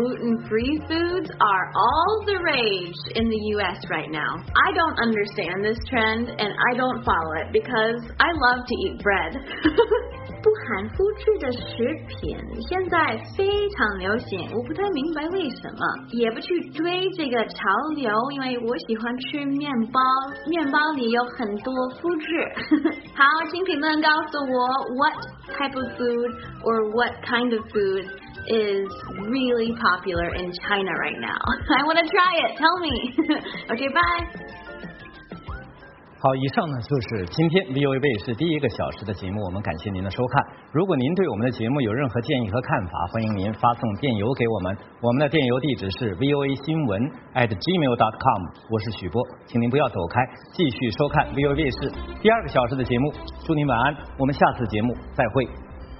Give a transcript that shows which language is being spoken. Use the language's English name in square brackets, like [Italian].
[English] gluten-free foods are all the rage in the U.S. right now. I don't understand this trend, and I don't follow it because I love to eat bread. [Chinese] 不含麸质的食品现在非常流行，我不太明白为什么，也不去追这个潮流，因为我喜欢吃面包，面包里有很多麸质。好，请评论告诉我 [English] what type of food or what kind of food is really popular in China right now. I want to try it, tell me. Okay, bye. [Chinese] 好，以上呢就是今天 VOA 卫视第一个小时的节目，我们感谢您的收看。如果您对我们的节目有任何建议和看法，欢迎您发送电邮给我们，我们的电邮地址是 VOA 新闻 @gmail.com。我是许波，请您不要走开，继续收看 VOA 卫视第二个小时的节目。祝您晚安，我们下次节目再会。